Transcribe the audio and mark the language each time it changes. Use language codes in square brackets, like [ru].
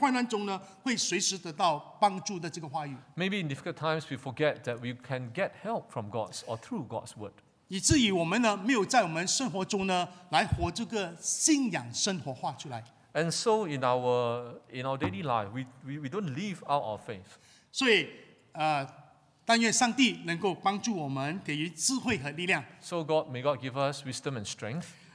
[zh] 可能也一下子没有办法去说，去有这个信心说明白，在患难中呢会随时得到帮助的这个话语。 [en] Maybe in difficult times we forget that we can get help from God or through God's word. [zh] 以至于我们呢没有在我们生活中呢来活这个信仰生活化出来。 [en] And so in our daily life, we don't live out our faith. [zh] 所以, 但愿上帝能够帮助我们，给予智慧和力量。 [en] So God, may God give us wisdom and strength.